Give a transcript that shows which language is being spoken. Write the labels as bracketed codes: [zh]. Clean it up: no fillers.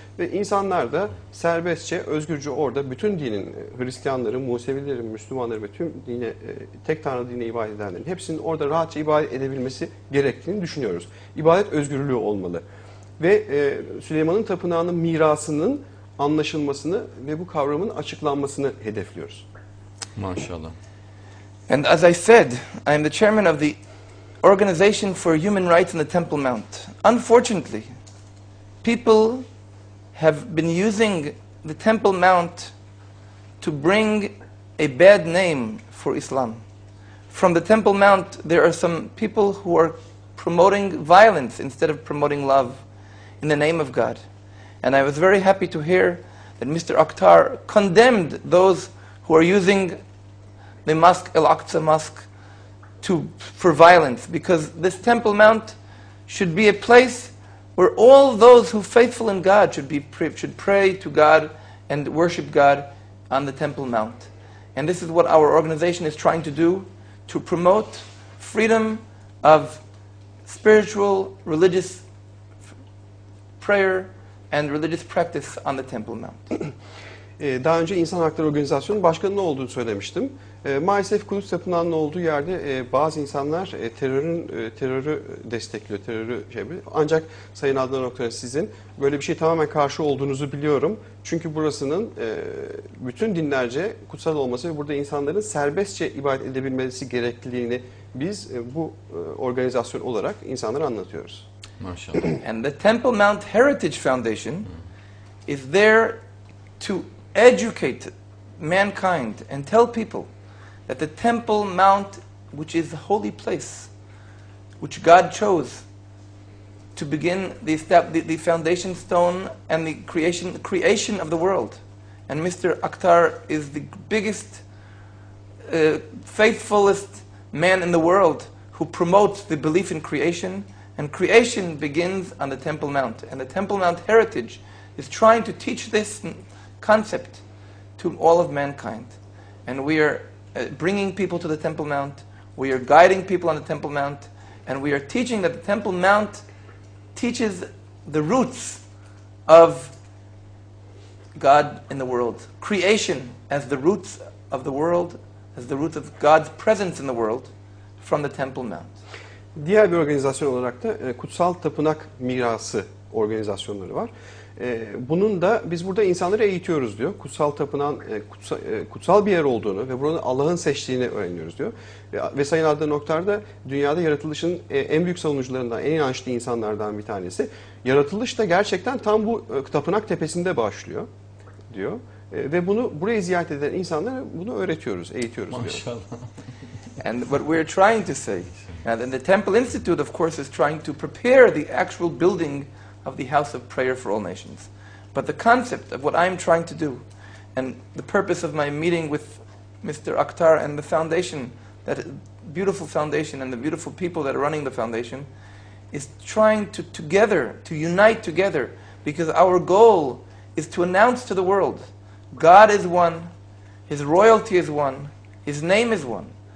[tr] Ve insanlar da serbestçe, özgürce orada bütün dinin, Hristiyanların, Musevilerin, Müslümanların ve tüm dine, tek tanrı dine ibadet edenlerin hepsinin orada rahatça ibadet edebilmesi gerektiğini düşünüyoruz. İbadet özgürlüğü olmalı. Ve Süleyman'ın tapınağının mirasının anlaşılmasını ve bu kavramın açıklanmasını hedefliyoruz. Maşallah. [en] And as I said, I am the chairman of the Organization for Human Rights in the Temple Mount. Unfortunately, people have been using the Temple Mount to bring a bad name for Islam. From the Temple Mount, there are some people who are promoting violence instead of promoting love in the name of God. And I was very happy to hear that Mr. Akhtar condemned those who are using the mosque, Al-Aqsa Mosque, for violence, because this Temple Mount should be a place where all those who faithful in God should pray to God and worship God on the Temple Mount. And this is what our organization is trying to do, to promote freedom of spiritual, religious prayer and religious practice on the Temple Mount. [tr] Daha önce İnsan Hakları Organizasyonu'nun başkanının olduğunu söylemiştim. Maalesef Kudüs Tapınağı'nın olduğu yerde bazı insanlar terörü destekliyor, terörü şey yapıyor. Ancak Sayın Adnan Oktar'ın sizin böyle bir şey tamamen karşı olduğunuzu biliyorum. Çünkü burasının bütün dinlerce kutsal olması ve burada insanların serbestçe ibadet edebilmesi gerekliliğini biz bu organizasyon olarak insanlara anlatıyoruz. Maşallah. [en] And the Temple Mount Heritage Foundation is there to educate mankind and tell people that the Temple Mount, which is the holy place, which God chose to begin the foundation stone and the creation of the world. And Mr. Akhtar is the biggest, faithfulest man in the world who promotes the belief in creation. And creation begins on the Temple Mount. And the Temple Mount heritage is trying to teach this concept to all of mankind. And we are bringing people to the Temple Mount, we are guiding people on the Temple Mount, and we are teaching that the Temple Mount teaches the roots of God in the world. Creation as the roots of the world, as the roots of God's presence in the world from the Temple Mount. [tr] Diğer bir organizasyon olarak da Kutsal Tapınak Mirası organizasyonları var. Bunun da biz burada insanları eğitiyoruz diyor. Kutsal tapınağın kutsal bir yer olduğunu ve buranın Allah'ın seçtiğini öğreniyoruz diyor. Ve Sayın Adnan Oktar da dünyada yaratılışın en büyük savunucularından, en inançlı insanlardan bir tanesi. Yaratılış da gerçekten tam bu tapınak tepesinde başlıyor diyor. Ve bunu burayı ziyaret eden insanlara bunu öğretiyoruz, eğitiyoruz diyor. Maşallah. [en] And what we're trying to say, and the Temple Institute of course is trying to prepare the actual building of the House of Prayer for All Nations. But the concept of what I'm trying to do and the purpose of my meeting with Mr. Akhtar and the foundation, that beautiful foundation and the beautiful people that are running the foundation, is trying to together, to unite together, because our goal is to announce to the world, God is one, His royalty is one, His name is one.